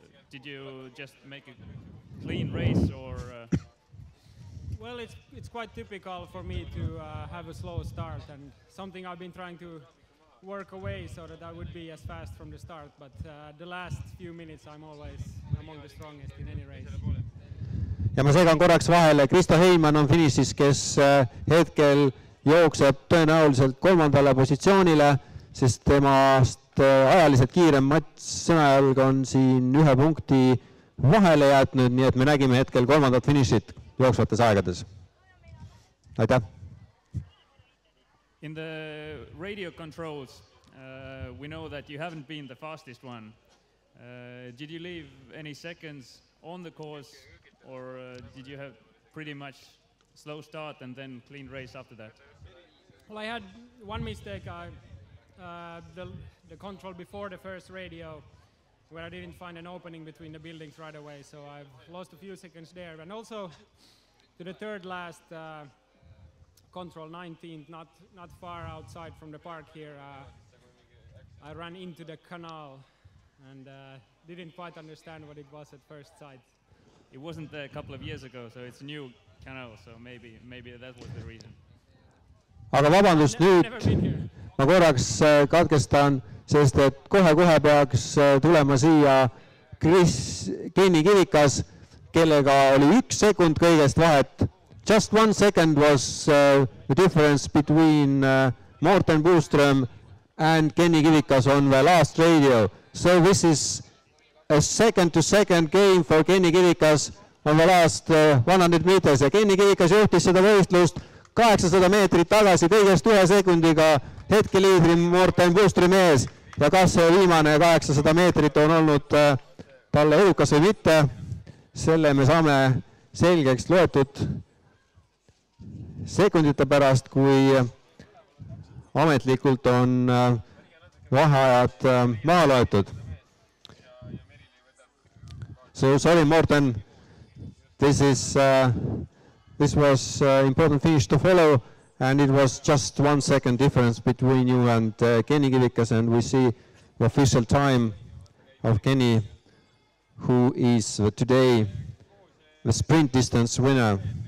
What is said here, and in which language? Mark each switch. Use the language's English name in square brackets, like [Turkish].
[English] Did you just make a clean race or? Well, it's quite typical for me to have a slow start, and something I've been trying to work away so that I would be as fast from the start, but the last few minutes I'm always among the strongest in any race. [Estonian] Ja ma segan korraks vahele, Kristo Heiman on finishis, kes hetkel jookseb tõenäoliselt kolmandale positsioonile, sest temast ajaliselt kiirem mats sõnajalg on siin ühe punkti vahele jäätnud, nii et me nägime hetkel kolmandat finishit jooksvates aegades. Aitäh! [English] In the radio controls, we know that you haven't been the fastest one. Did you leave any seconds on the course? Or did you have pretty much slow start and then clean race after that? Well, I had one mistake, the control before the first radio, where I didn't find an opening between the buildings right away, so I've lost a few seconds there. And also to the third last control, 19th, not far outside from the park here, I ran into the canal and didn't quite understand what it was at first sight. It wasn't there a couple of years ago, so it's a new canal, so maybe that was the reason. [Estonian] Aga vabandust nüüd, ma korraks katkestan, sest et kohe peaks tulema siia Kenny Kivikas, kellega oli üks sekund kõigest vahet. [English] Just one second was the difference between Morten Boström and Kenny Kivikas on the last radio. So this is a second-to-second game for Kenny Kivikas on the last 100 meters. [Estonian] Ja Kenny Kivikas juhtis seda võistlust 800 meetrit tagasi kõigest ühe sekundiga hetkeliidri Morten Boström ees. Ja kas see viimane 800 meetrit on olnud talle edukas või mitte, selle me saame selgeks loetud sekundite pärast, kui ametlikult on vaheajad maha loetud. [English] So sorry, Morten. This was important finish to follow, and it was just one second difference between you and Kenny Kivikas, and we see the official time of Kenny, who is today the sprint distance winner.